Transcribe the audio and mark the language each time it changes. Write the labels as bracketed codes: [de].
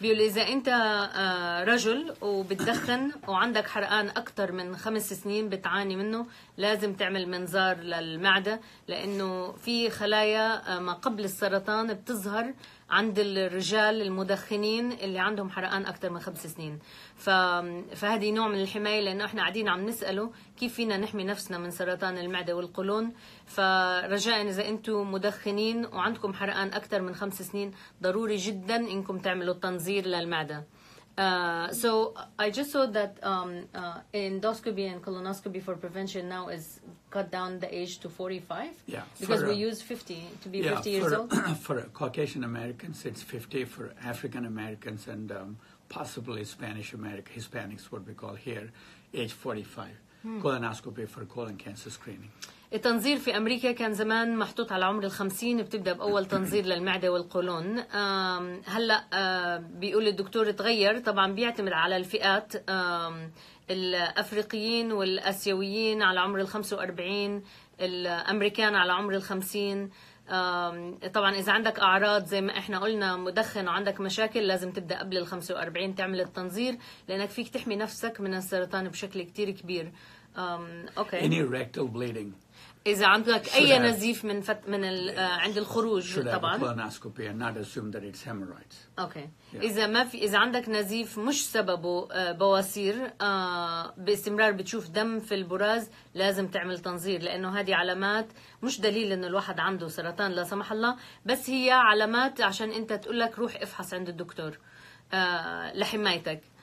[ar] بيقول إذا أنت رجل وبتدخن وعندك حرقان أكتر من 5 سنين بتعاني منه لازم تعمل منظار للمعدة لأنه في خلايا ما قبل السرطان بتظهر عند الرجال المدخنين اللي عندهم حرقان أكتر من 5 سنين فهذه نوع من الحماية لأنه إحنا قاعدين عم نسأله كيف فينا نحمي نفسنا من سرطان المعدة والقولون فرجاء إذا أنتوا مدخنين وعندكم حرقان أكتر من 5 سنين ضروري جدا إنكم تعملوا تنظير للمعدة. [en] So I just saw that endoscopy and colonoscopy for prevention now is cut down the age to 45. Yeah, because we use 50 to be 50 years old. For Caucasian Americans, it's 50. For African Americans and possibly Spanish American Hispanics, what we call here, age 45. Colonoscopy for colon cancer screening. [ar] التنظير في أمريكا كان زمان محطوط على عمر 50 بتبدأ بأول تنظير للمعدة والقولون. هلأ بيقول الدكتور تغير طبعا بيعتمد على الفئات الأفريقيين والأسيويين على عمر 45 الأمريكان على عمر 50 طبعا إذا عندك أعراض زي ما إحنا قلنا مدخن وعندك مشاكل لازم تبدأ قبل 45 تعمل التنظير لأنك فيك تحمي نفسك من السرطان بشكل كتير كبير. [en] Okay. Any rectal bleeding. [ar] إذا عندك أي نزيف من عند الخروج طبعاً. [en] Should have a colonoscopy and not assume that it's hemorrhoids. Okay. Yeah. [ar] إذا عندك نزيف مش سببه بواسير باستمرار بتشوف دم في البراز لازم تعمل تنظير لأنه هذه علامات مش دليل إنه الواحد عنده سرطان لا سمح الله بس هي علامات عشان أنت تقول لك روح افحص عند الدكتور لحمايتك.